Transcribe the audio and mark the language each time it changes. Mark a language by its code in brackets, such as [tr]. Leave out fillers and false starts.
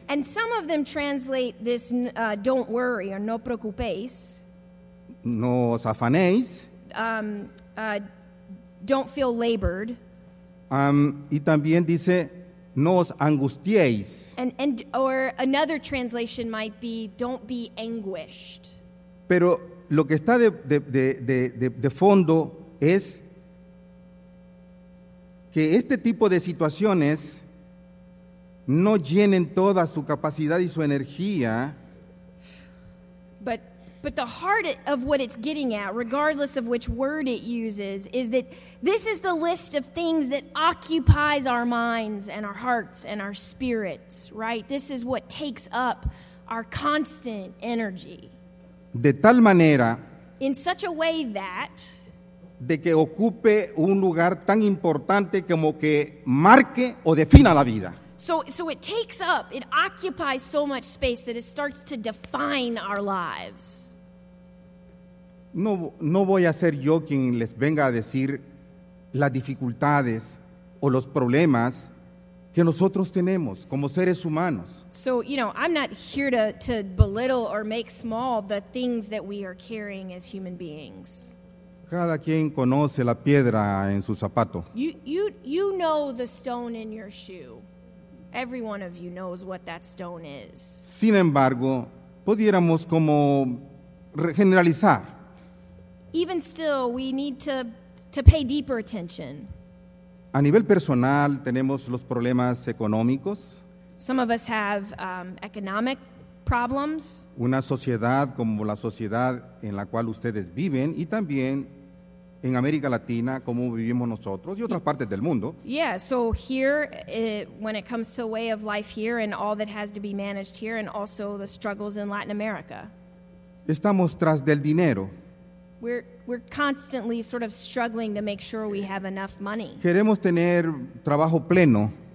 [en] And some of them translate this, don't worry, or [es] no preocupéis. No os afanéis. [en] Don't feel labored. [es] Y también dice, no os angustiéis. [en] Or another translation might be, don't be anguished. [es] Pero lo que está de fondo es que este tipo de situaciones no llenen toda su capacidad y su energía. [en] But the heart of what it's getting at, regardless of which word it uses, is that this is the list of things that occupies our minds and our hearts and our spirits, right? This is what takes up our constant energy. [es] De tal manera, [en] in such a way that, [es] de que ocupe un lugar tan importante como que marque o defina la vida. [en] So it takes up, it occupies so much space that it starts to define our lives. [es] No voy a ser yo quien les venga a decir las dificultades o los problemas que nosotros tenemos como seres humanos. [en] So, you know, I'm not here to belittle or make small the things that we are carrying as human beings. [es] Cada quien conoce la piedra en su zapato. [en] You know the stone in your shoe. Every one of you knows what that stone is. [es] Sin embargo, pudiéramos como generalizar. [en] Even still, we need to pay deeper attention. [es] A nivel personal, tenemos los problemas económicos. [en] Some of us have economic problems. [es] Una sociedad como la sociedad en la cual ustedes viven y también en América Latina como vivimos nosotros y otras partes del mundo. [en] Yeah, so here, when it comes to way of life here and all that has to be managed here and also the struggles in Latin America. [es] Estamos tras del dinero. [en] We're constantly sort of struggling to make sure we have enough money. [es] Queremos tener trabajo pleno.